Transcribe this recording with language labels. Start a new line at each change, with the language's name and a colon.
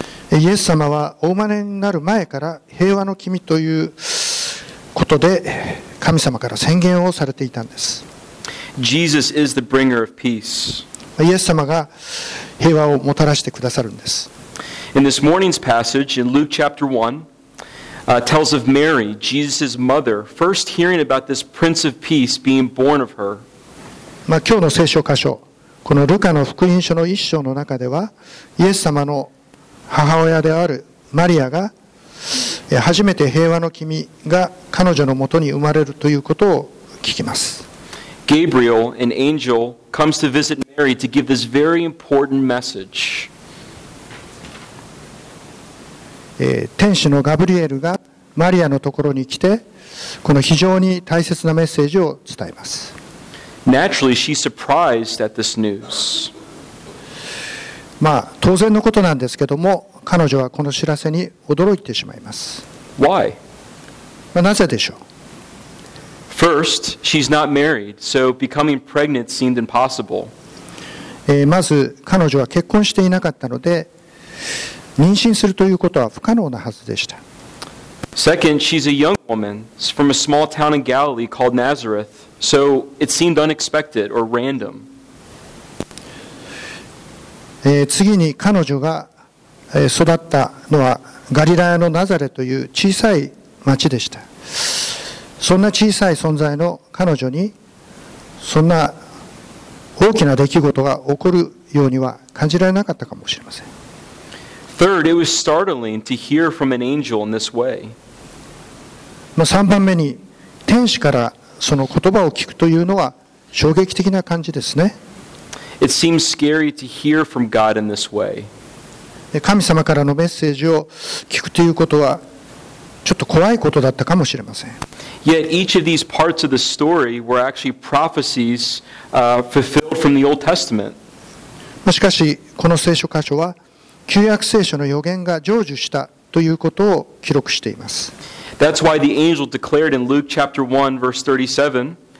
Japanese: イエス様はお生まれになる前から平和の君という、ことで神様から宣言をされていたんです。
English: Jesus is the bringer of peace.
Japanese: イエス様が平和をもたらしてくださるんです。
English: In this morning's passage in Luke chapter 1, tells of Mary, Jesus' mother, first hearing about this Prince of Peace being born of her.
Japanese: 今日の聖書箇所、このルカの福音書の一章の中では、イエス様の母親であるマリアが初めて平和の君が彼女のもとに生まれるということを聞きます。
English: Gabriel, an angel, comes to visit Mary to give this very important message.
Japanese: 天使のガブリエルがマリアのところに来て、この非常に大切なメッセージを伝えます。
English: Naturally, she's surprised at this news.
Japanese: まあ、当然のことなんですけども、彼女はこの知らせに驚いてしまいます。
English: Why?
Japanese: まあ、なぜでしょう。
English: First, she's not married, so becoming pregnant seemed impossible.
Japanese: まず彼女は結婚していなかったので、妊娠するということは不可能なはずでした。
English: Second, she's a young woman from a small town in Galilee called Nazareth, so it seemed unexpected or random.
Japanese: 次に彼女が育ったのはガリラヤのナザレという小さい町でした。そんな小さい存在の彼女にそんな大きな出来事が起こるようには感じられなかったかもしれません。
English: Third, it was startling to hear from an angel in this way.
Japanese: 3番目に天使からその言葉を聞くというのは衝撃的な感じですね。
English: It seems scary to hear from God in this way.
Japanese: 神様からのメッセージを聞くということはちょっと怖いことだったかもしれません。
English: Yet each of these parts of the story were actually prophecies fulfilled from the Old Testament.
Japanese: しかしこの聖書箇所は旧約聖書の予言が成就したということを記録しています。
English: That's why the angel declared in Luke chapter 1 verse 37,